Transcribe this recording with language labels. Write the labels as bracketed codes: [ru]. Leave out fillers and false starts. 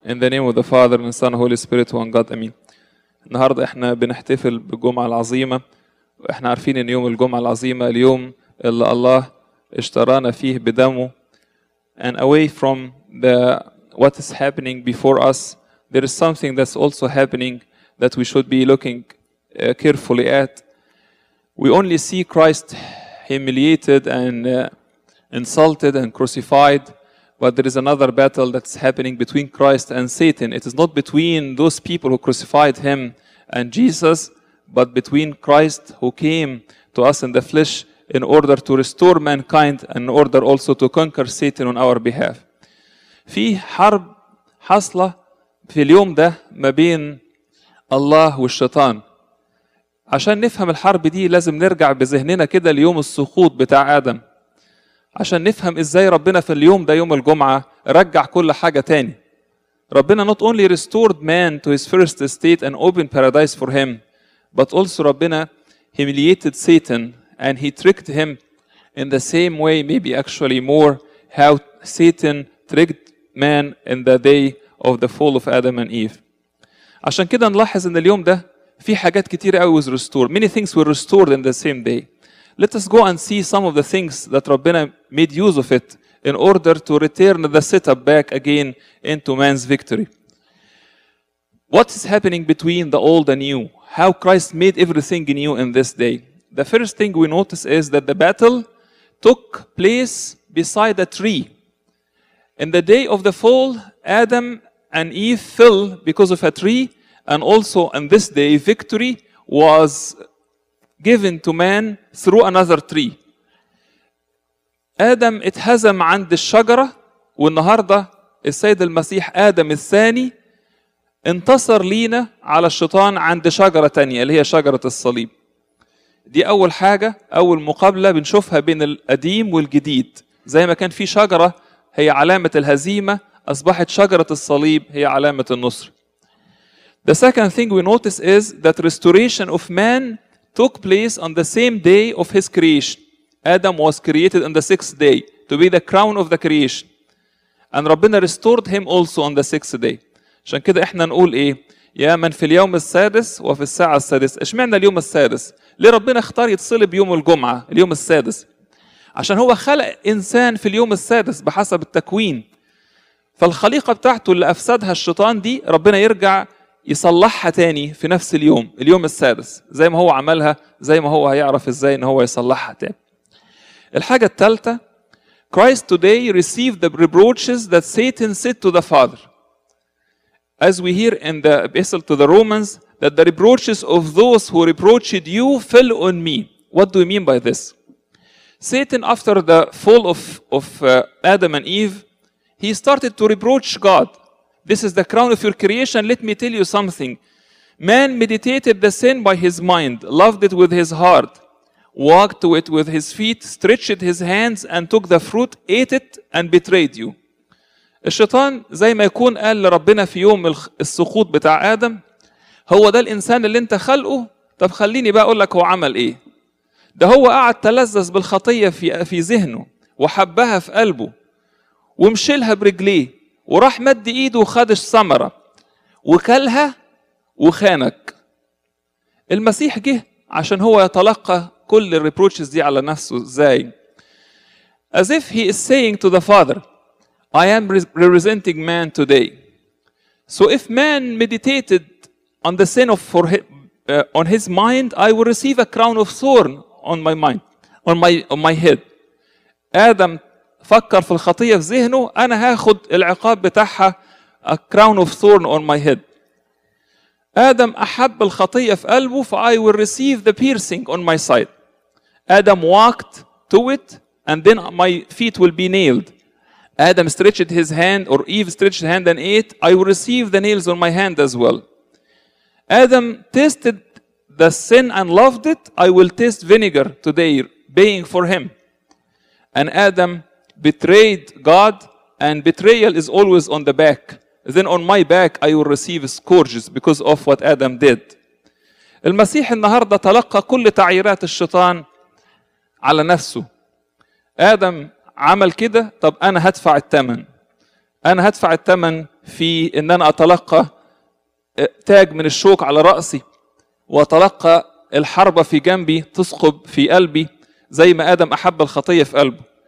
[en] In the name of the Father, and the Son, and the Holy Spirit, one God. Amen. [ar] النهاردة احنا بنحتفل بالجمعة العظيمة. احنا عارفين ان يوم الجمعة العظيمة اليوم اللي الله اشترانا فيه بدمه. [en] And away from the what is happening before us, there is something that's also happening that we should be looking carefully at. We only see Christ humiliated and insulted and crucified, but there is another battle that's happening between Christ and Satan. It is not between those people who crucified him and Jesus, but between Christ who came to us in the flesh in order to restore mankind and in order also to conquer Satan on our behalf. [ar] في حرب حصلة في اليوم ده ما بين الله والشيطان. عشان نفهم الحرب دي لازم نرجع بذهننا كده ليوم السقوط بتاع آدم. عشان نفهم ازاي ربنا في اليوم ده يوم الجمعة رجع كل حاجة تاني. [en] ربنا not only restored man to his first state and opened paradise for him, but also ربنا humiliated Satan and he tricked him in the same way, maybe actually more, how Satan tricked man in the day of the fall of Adam and Eve. [ar] عشان كده نلاحظ ان اليوم ده في حاجات كتير قوي was restored. [en] Many things were restored in the same day. Let us go and see some of the things that Rabbina made use of it in order to return the setup back again into man's victory. What is happening between the old and new? How Christ made everything new in this day? The first thing we notice is that the battle took place beside a tree. In the day of the fall, Adam and Eve fell because of a tree, and also on this day, victory was given to man through another tree. [ar] Adam اتهزم عند الشجرة والنهاردة السيد المسيح آدم الثاني انتصر لينا على الشيطان عند شجرة تانية اللي هي شجرة الصليب. دي أول حاجة، أول مقابلة بنشوفها بين القديم والجديد. زي ما كان في شجرة هي علامة الهزيمة، أصبحت شجرة الصليب هي علامة النصر. [en] The second thing we notice is that restoration of man took place on the same day of his creation. Adam was created on the sixth day to be the crown of the creation. And ربنا restored him also on the sixth day. [ar] عشان كده احنا نقول ايه؟ يا من في اليوم السادس وفي الساعة السادسة. اشمعنا اليوم السادس؟ ليه ربنا اختار يتصلب يوم الجمعة اليوم السادس؟ عشان هو خلق انسان في اليوم السادس بحسب التكوين. فالخليقة بتاعته اللي افسدها الشيطان دي ربنا يرجع يصلحها تاني في نفس اليوم، اليوم السادس، زي ما هو عملها، زي ما هو هيعرف ازاي ان هو يصلحها تاني. [en] الحاجة التالتة، Christ today received the reproaches that Satan said to the Father. As we hear in the epistle to the Romans, that the reproaches of those who reproached you fell on me. What do we mean by this? Satan, after the fall of Adam and Eve, he started to reproach God. This is the crown of your creation. Let me tell you something. Man meditated the sin by his mind, loved it with his heart, walked to it with his feet, stretched his hands, and took the fruit, ate it, and betrayed you. [ar] الشيطان زي ما يكون قال لربنا في يوم السقوط بتاع آدم، هو ده الإنسان اللي انت خلقه، طب خليني بقى أقول لك هو عمل إيه. ده هو قعد تلذذ بالخطية في ذهنه وحبها في قلبه ومشيلها برجليه وراح مد ايده وخد الثمره وكلها وخانك. المسيح جه عشان هو يتلقى كل الريبروتشز دي على نفسه. [en] ازاي؟ As if he is saying to the Father, I am representing man today. So if man meditated on the sin of on his mind, I will receive a crown of thorn on my mind, on my head. [ar] Adam فكر في الخطية في ذهنه، أنا هاخد العقاب بتاعها a crown of thorn on my head. [en] آدم أحب الخطية في قلبه، ف I will receive the piercing on my side. Adam walked to it and then my feet will be nailed. Adam stretched his hand or Eve stretched hand and ate, I will receive the nails on my hand as well. Adam tasted the sin and loved it, I will taste vinegar today paying for him. And Adam betrayed God, and betrayal is always on the back. Then on my back, I will receive scourges because of what Adam did. [ar] المسيح النهاردة تلقى كل تعيرات الشيطان على نفسه. آدم عمل كده، طب أنا هدفع الثمن. أنا هدفع الثمن في ان انا اتلقى تاج من الشوك على رأسي واتلقى الحربة في جنبي تسقب في قلبي زي ما آدم أحب الخطية في قلبه.